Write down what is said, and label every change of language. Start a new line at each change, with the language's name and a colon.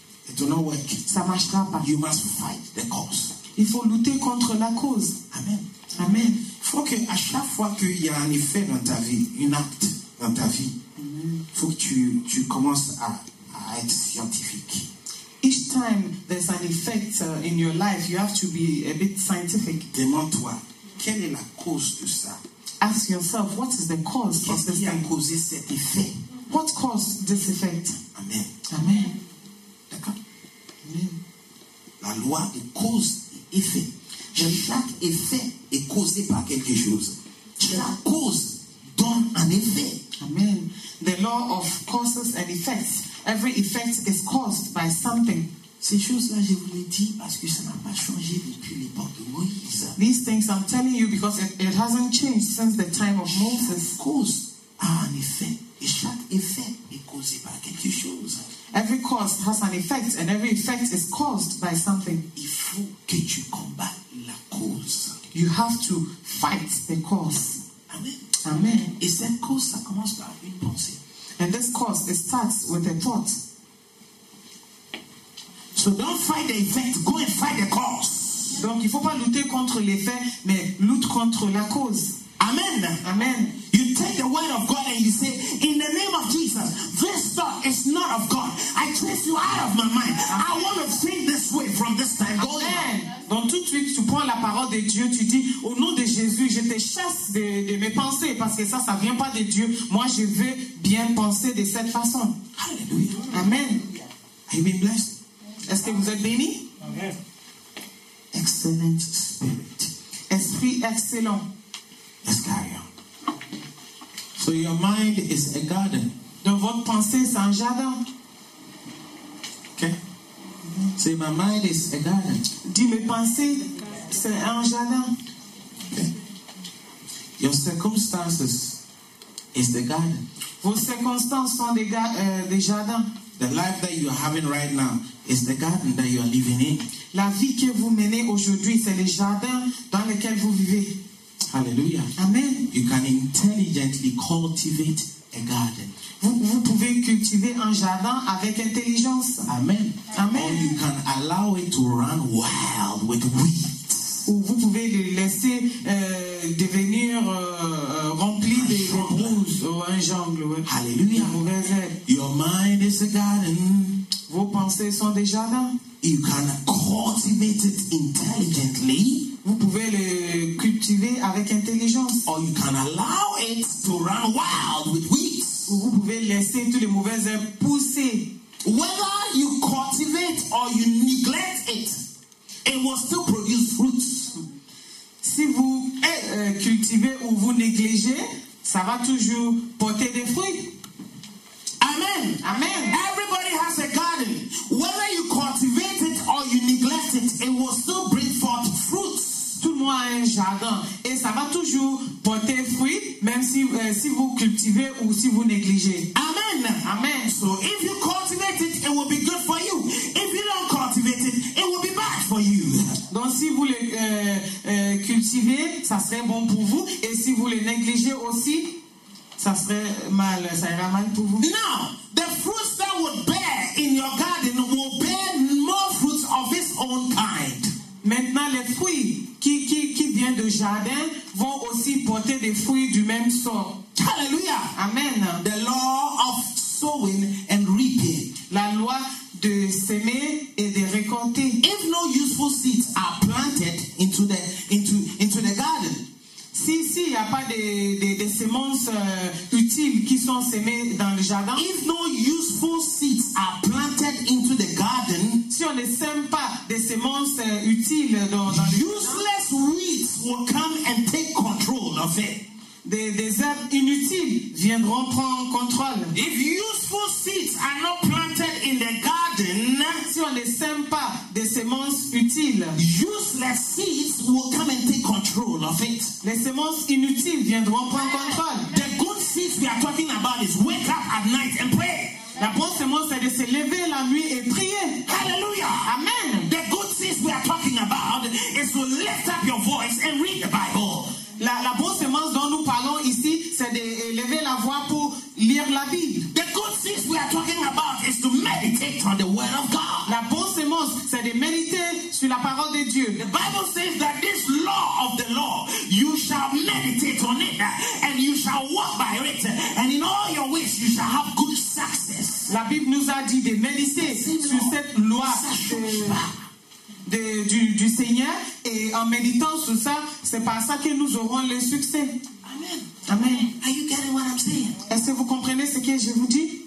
English: It will not work.
French: Ça marchera pas.
English: You must fight the cause.
French: Il faut lutter contre la cause. Amen. Amen. Il faut que à chaque fois qu'il y a un effet dans ta vie, un acte dans ta vie, il faut que tu commences à être scientifique.
English: Each time there's an effect in your life, you have to be a bit scientific.
French: Demande-toi, quelle est la cause de ça?
English: Ask yourself, what is the cause?
French: Qu'est-ce qui a causé cet effet?
English: What caused this effect? Amen. Amen.
French: D'accord? Amen. La loi est cause et effet. Chaque effet est causé par quelque chose. La cause donne un effet.
English: Amen. The law of causes and effects. Every effect is caused by something.
French: Ces choses-là, je vous les dis parce que ça n'a pas changé depuis l'époque de Moïse.
English: These things I'm telling you because it hasn't changed since the time of Moses.
French: Chaque cause a un effet. Et chaque effet est causé par quelque chose.
English: Every cause has an effect and every effect is caused by something.
French: Il faut que tu combattes la cause.
English: You have to fight the cause. Amen. Amen.
French: Et cette cause, ça commence par une pensée.
English: And this cause, it starts with a thought. So don't fight the effect, go and fight the cause.
French: Donc il ne faut pas lutter contre l'effet, mais lutte contre la cause. Amen. Amen.
English: You take the word of God and you say, in the name of Jesus, this thought is not of God. I chase you out of my mind. Amen. I want to think this way from this time. Amen. Amen.
French: Donc tout de suite, tu prends la parole de Dieu, tu dis, au nom de Jésus, je te chasse de mes pensées, parce que ça, ça ne vient pas de Dieu. Moi, je veux bien penser de cette façon. Alléluia. Amen.
English: Are you being blessed?
French: Est-ce que vous êtes béni? Amen.
English: Excellent spirit.
French: Esprit excellent.
English: Let's carry on. So your mind is a garden.
French: Donc votre pensée, c'est un jardin.
English: Okay. Say my mind is a garden.
French: Dis mes pensées, c'est un jardin.
English: Okay. Your circumstances is the garden.
French: Vos circonstances sont des jardins.
English: The life that you are having right now is the garden that you are living in.
French: La vie que vous menez aujourd'hui, c'est le jardin dans lequel vous vivez. Hallelujah. Amen.
English: You can intelligently cultivate a garden.
French: Vous pouvez cultiver un jardin avec intelligence. Amen. Amen.
English: Or you can allow it to run wild with weeds.
French: Ou vous pouvez le laisser devenir rempli de roses ou un jungle. Ouais.
English: Hallelujah. Your mind is a garden.
French: Vos pensées sont des jardins.
English: You can cultivate it intelligently.
French: Vous pouvez le cultiver avec intelligence.
English: Or you can allow it to run wild with weeds.
French: Ou vous pouvez laisser toutes les mauvaises herbes pousser.
English: Whether you cultivate or you neglect it, it will still produce fruits.
French: Si vous cultivez ou vous négligez, ça va toujours porter des fruits. Amen. Amen.
English: Everybody has a garden. Whether you cultivate it or you neglect it, it will still bring forth fruits.
French: Tout le monde a un jardin et ça va toujours porter fruit, même si vous cultivez ou si vous négligez. Amen. Amen.
English: So if you cultivate it, it will be good for you. If you don't cultivate it, it will be bad for you.
French: Donc si vous le cultivez, ça serait bon pour vous, et si vous le négligez aussi, ça serait mal, ça ira mal pour vous.
English: Now, the fruits that would bear in your garden will bear more fruits of its own kind.
French: Maintenant, les fruits qui viennent du jardin vont aussi porter des fruits du même sort. Hallelujah. Amen.
English: The law of sowing and reaping.
French: La loi de semer et de récolter.
English: If no useful seeds are planted into the garden.
French: Si il n'y a pas des semences utiles qui sont semées dans le jardin.
English: If no useful seeds are planted into the garden,
French: si on ne sème pas des semences utiles dans le
English: useless jardin, weeds will come and take control of it.
French: Des herbes inutiles viendront prendre contrôle.
English: If useful seeds are not planted in the garden,
French: si on ne sème pas des semences utiles.
English: Useless seeds will come and take control of it.
French: Les semences inutiles viendront prendre contrôle.
English: The good seeds we are talking about is wake up at night and pray.
French: La bonne semence c'est de se lever la nuit et prier. Hallelujah. Amen.
English: The good seeds we are talking about is to lift up your voice and read the Bible.
French: La bonne semence dont nous parlons ici, c'est d'élever la voix pour lire la Bible.
English: The good seeds we are talking about is to meditate on the word of God.
French: La bonne semence, c'est de méditer sur la parole de Dieu.
English: The Bible says that this law of the law, you shall meditate on it, and you shall walk by it, and in all your ways you shall have good success.
French: La Bible nous a dit de méditer sur cette loi. Du Seigneur, et en méditant sur ça, c'est par ça que nous aurons le succès. Amen. Amen.
English: Are you getting what I'm saying?
French: Est-ce que vous comprenez ce que je vous dis?